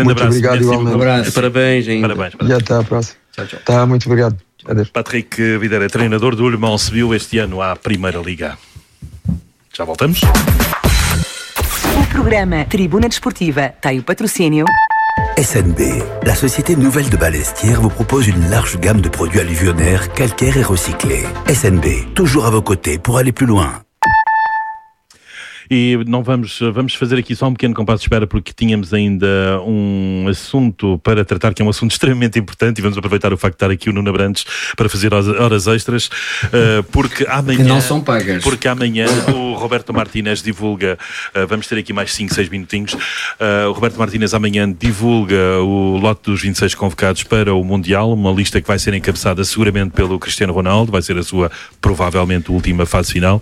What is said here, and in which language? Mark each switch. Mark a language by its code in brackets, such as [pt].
[pt] muito abraço. Obrigado, [fr] merci, [pt] igualmente. Abraço. Parabéns, hein? Parabéns. E até à próxima. Tchau, tchau. Muito obrigado. Adeus. Patrick Videira, treinador do Le Mans, subiu este ano à Primeira Liga. Já voltamos. O programa Tribuna Desportiva tem o patrocínio. [fr] SNB, la société nouvelle de Balestière, vous propose une large gamme de produits alluvionnaires, calcaires et recyclés. SNB, toujours à vos côtés pour aller plus loin. [pt] E não vamos fazer aqui só um pequeno compasso de espera, porque tínhamos ainda um assunto para tratar, que é um assunto extremamente importante, e vamos aproveitar o facto de estar aqui o Nuno Abrantes para fazer horas extras, porque amanhã... Que não são pagas. Porque amanhã o Roberto Martínez divulga, vamos ter aqui mais 5, 6 minutinhos, o Roberto Martínez amanhã divulga o lote dos 26 convocados para o Mundial, uma lista que vai ser encabeçada seguramente pelo Cristiano Ronaldo, vai ser a sua, provavelmente, última fase final.